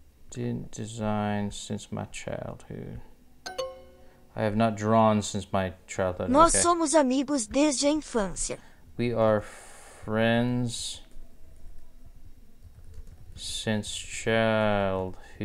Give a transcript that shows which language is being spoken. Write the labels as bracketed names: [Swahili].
[English] Didn't design since my childhood. I have not drawn since my childhood. [Portuguese] Nós somos amigos desde a infância. [English] We are friends since childhood.